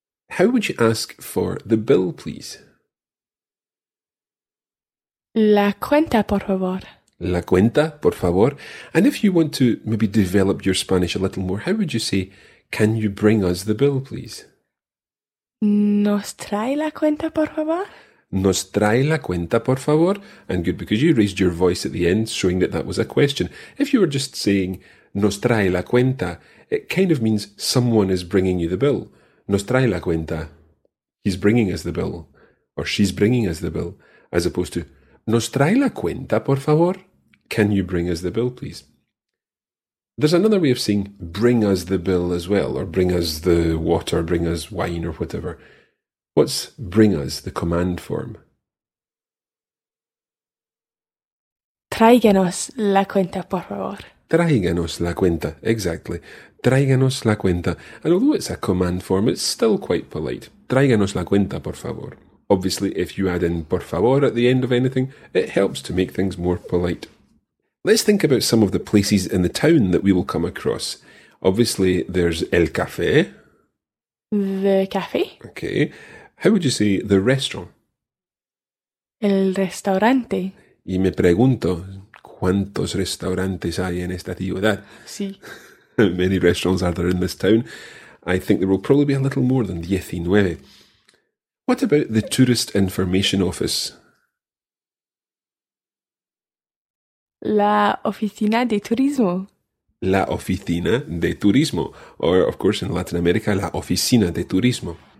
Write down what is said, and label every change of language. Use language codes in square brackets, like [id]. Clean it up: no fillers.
[en] How would you ask for the bill, please? [es] La cuenta, por favor. La cuenta, por favor. [en] And if you want to maybe develop your Spanish a little more, how would you say, can you bring us the bill, please? [es] Nos trae la cuenta, por favor. Nos trae la cuenta, por favor. [en] And good, because you raised your voice at the end, showing that that was a question. If you were just saying, [es] nos trae la cuenta, [en] it kind of means someone is bringing you the bill. [es] Nos trae la cuenta. [en] He's bringing us the bill. Or she's bringing us the bill. As opposed to, [es] nos trae la cuenta, por favor. [en] Can you bring us the bill, please? There's another way of saying bring us the bill as well, or bring us the water, bring us wine, or whatever. What's bring us, the command form? [es] Tráiganos la cuenta, por favor. Tráiganos la cuenta, exactly. Tráiganos la cuenta. [en] And although it's a command form, it's still quite polite. [es] Tráiganos la cuenta, por favor. [en] Obviously, if you add in [es] por favor [en] at the end of anything, it helps to make things more polite. Let's think about some of the places in the town that we will come across. Obviously, there's el café. The café. Okay. How would you say the restaurant? [es] El restaurante. Y me pregunto, ¿cuántos restaurantes hay en esta ciudad? Sí. [en] How many restaurants are there in this town? I think there will probably be a little more than 19. What about the tourist information office? [es] La oficina de turismo. La oficina de turismo. [en] Or, of course, in Latin America, [es] la oficina de turismo.